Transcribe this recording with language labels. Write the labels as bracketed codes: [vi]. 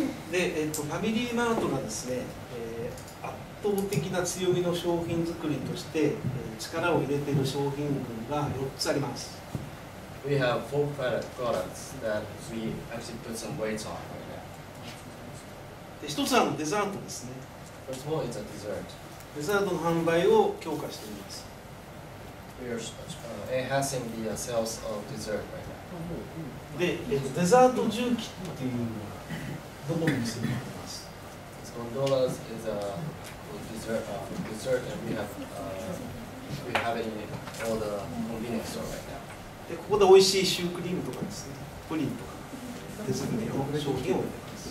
[ja] で、ファミリーマートがですね、圧倒的な強みの商品作りとして、力を入れている商品群が4つあります。 [en] We have four products that we actually put some weights on right now. [ja] で、1つはデザートですね。 [en] First of all, it's a dessert. [ja] デザートの販売を強化しています。 [en] we are enhancing the sales of dessert right now. [ja] で、デザート重機っていうのはどこの店に行ってます？ [en] So Gondolas is a dessert, dessert and we have it in all the convenience store right now. [ja] で、ここで美味しいシュークリームとかですね、プリンとか、デザートの商品を売ってます。